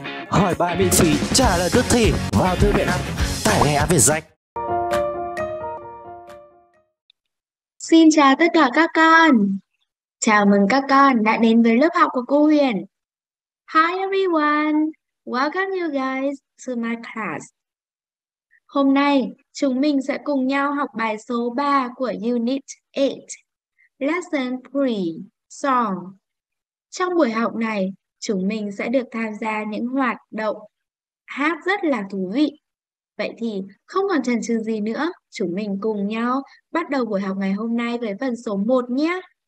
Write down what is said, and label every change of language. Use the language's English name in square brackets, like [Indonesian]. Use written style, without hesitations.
[Vietnamese] Hỏi bài miễn phí, trả lời tức thì vào thư viện app, tải ngay Avezac. Xin chào tất cả các con. Chào mừng các con đã đến với lớp học của cô Huyền. [English] Hi everyone, welcome you guys to my class. [Vietnamese] Hôm nay, chúng mình sẽ cùng nhau học bài số 3 của Unit 8, Lesson 3, Song. Trong buổi học này, chúng mình sẽ được tham gia những hoạt động hát rất là thú vị. Vậy thì, không còn chần chừ gì nữa, chúng mình cùng nhau bắt đầu buổi học ngày hôm nay với phần số 1 nhé.